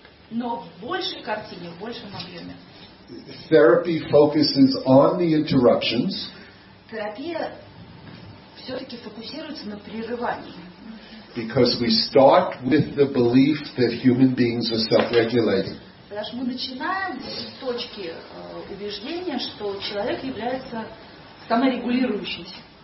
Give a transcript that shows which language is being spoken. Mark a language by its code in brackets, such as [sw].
[ru] но в большей картине, в большем объеме, [en] therapy focuses on the interruptions. [ru] Терапия все-таки фокусируется на прерывании. [en] Because we start with the belief that human beings are self-regulating. [ru] Потому что мы начинаем с точки убеждения, что человек является саморегулирующимся.